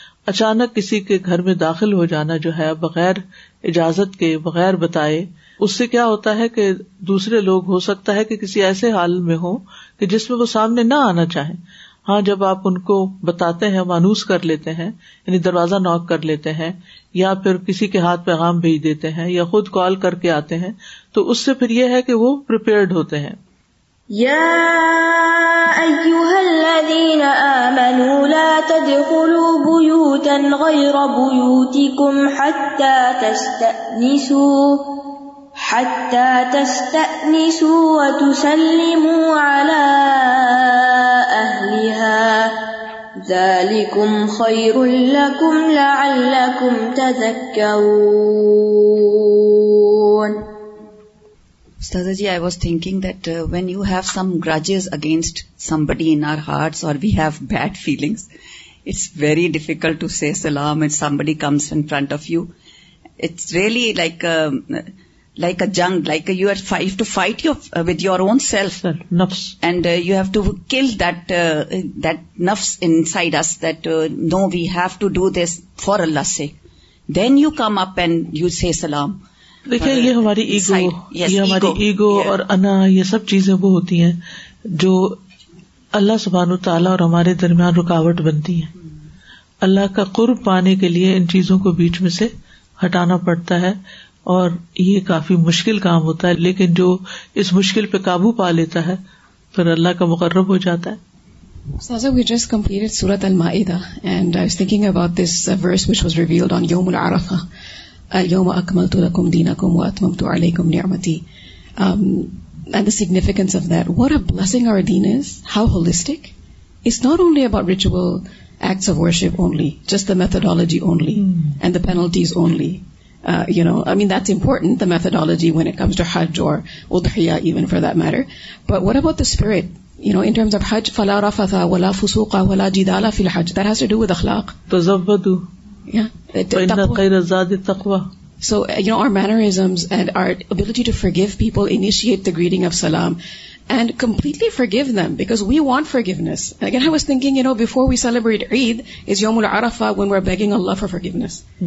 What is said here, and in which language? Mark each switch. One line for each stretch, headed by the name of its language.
Urdu: اچانک کسی کے گھر میں داخل ہو جانا جو ہے بغیر اجازت کے، بغیر بتائے، اس سے کیا ہوتا ہے کہ دوسرے لوگ ہو سکتا ہے کہ کسی ایسے حال میں ہوں کہ جس میں وہ سامنے نہ آنا چاہیں. ہاں جب آپ ان کو بتاتے ہیں، مانوس کر لیتے ہیں، یعنی دروازہ نوک کر لیتے ہیں، یا پھر کسی کے ہاتھ پیغام بھیج دیتے ہیں، یا خود کال کر کے آتے ہیں، تو اس سے پھر یہ ہے کہ وہ پریپیئرڈ ہوتے ہیں.
Arabic: يا أيها الذين آمنوا لا تدخلوا بيوتا غير بيوتكم حتى تستأنسوا وتسلموا على أهلها ذلكم خير لكم لعلكم تذكرون.
English: Sada ji, I was thinking that when you have some grudges against somebody in our hearts or we have bad feelings, it's very difficult to say salam when somebody comes in front of you. It's really like a jung, like you are have to fight with your own self. Nafs. And you have to kill that nafs inside us that no, we have to do this for Allah's sake. Then you come up and you say salam.
Urdu: دیکھیں یہ ہماری ego
English: yes,
Urdu: یہ ہماری ego
English: yeah.
Urdu: اور انا، یہ سب چیزیں وہ ہوتی ہیں جو اللہ سبحانہ و تعالیٰ اور ہمارے درمیان رکاوٹ بنتی ہیں. اللہ کا قرب پانے کے لیے ان چیزوں کو بیچ میں سے ہٹانا پڑتا ہے، اور یہ کافی مشکل کام ہوتا ہے، لیکن جو اس مشکل پہ قابو پا لیتا ہے پھر اللہ کا مقرب ہو جاتا ہے.
English: Sasa, we just completed Surah Al-Ma'idah and I was thinking about this verse which was revealed on Yawm Al-Arafah.
Arabic: اليوم اكملت لكم دينكم واتممت عليكم نعمتي
English: and the significance of that, what a blessing our deen is, how holistic. It's not only about ritual acts of worship only, just the methodology only and the penalties only. You know, I mean, that's important, the methodology when it comes to hajj or udhiya even for that matter, but what about the spirit, you know, in terms of hajj?
Arabic: فلا رفث ولا فسوق ولا جدال في الحج.
English: That has to do with اخلاق.
Arabic: تزودوا.
English: So, you know, our mannerisms and our ability to forgive people, initiate the greeting of salam and completely forgive them because we want forgiveness. And again, I was thinking, you know, before we celebrate Eid is Yawmul Arafah when we're begging Allah for forgiveness.